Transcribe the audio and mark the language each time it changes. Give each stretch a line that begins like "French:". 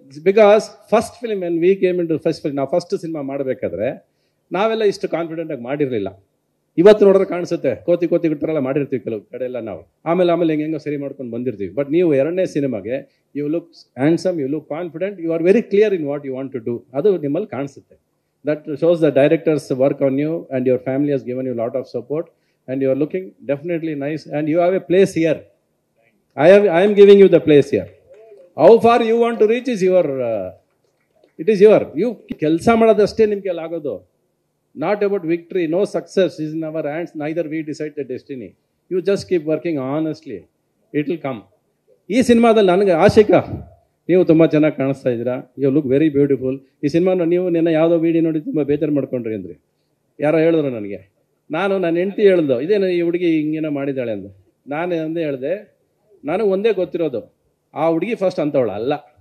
English: because first film and we came in to first film,
Kannada: ನಾವು first cinema ಮಾಡಬೇಕಾದ್ರೆ ನಾವೆಲ್ಲ ಇಷ್ಟು ಕಾನ್ಫಿಡೆಂಟಾಗಿ ಮಾಡಿರಲಿಲ್ಲ. ಇವತ್ತು ನೋಡಿದ್ರೆ ಕಾಣಿಸುತ್ತೆ, ಕೋತಿ ಕೋತಿ ಗುಟ್ಟರೆಲ್ಲ ಮಾಡಿರ್ತೀವಿ ಕೆಲವು ಕಡೆ ಎಲ್ಲ ನಾವು, ಆಮೇಲೆ ಹೆಂಗೋ ಸರಿ ಮಾಡ್ಕೊಂಡು ಬಂದಿರ್ತೀವಿ. ಬಟ್ ನೀವು 2ನೇ ಸಿನಿಮಾಗೆ
English: you look handsome, you look confident, you are very clear in what you want to do,
Kannada: ಅದು ನಿಮ್ಮಲ್ಲಿ ಕಾಣಿಸುತ್ತೆ.
English: That shows the director's work on you, and your family has given you a lot of support, and you are looking definitely nice, and you have a place here. I am giving you the place here. How far you want to reach is your, it is your. You
Kannada: kelsa madadaste nimge lagodo.
English: Not about victory, no success is in our hands, neither we decide the destiny. You just keep working honestly, it will come.
Kannada: Ee cinema dalli nanage Ashika. ನೀವು ತುಂಬ ಚೆನ್ನಾಗಿ ಕಾಣಿಸ್ತಾ ಇದ್ದೀರಾ,
English: You look very beautiful.
Kannada: ಈ ಸಿನಿಮಾನ ನೀವು ನಿನ್ನೆ ಯಾವುದೋ ವಿಡಿಯೋ ನೋಡಿ ತುಂಬ ಬೇಜಾರು ಮಾಡ್ಕೊಂಡ್ರಿ ಅಂದ್ರೆ ಯಾರೋ ಹೇಳಿದ್ರು ನನಗೆ, ನಾನು ನನ್ನ ಹೆಂಡತಿ ಹೇಳ್ದು ಇದೇನು ಈ ಹುಡುಗಿ ಹಿಂಗೇನೋ ಮಾಡಿದ್ದಾಳೆ ಅಂದ್ರೆ ನಾನು ಒಂದೇ ಹೇಳಿದೆ, ನನಗೆ ಒಂದೇ ಗೊತ್ತಿರೋದು ಆ ಹುಡುಗಿ ಫಸ್ಟ್ ಅಂತವಳು ಅಲ್ಲ.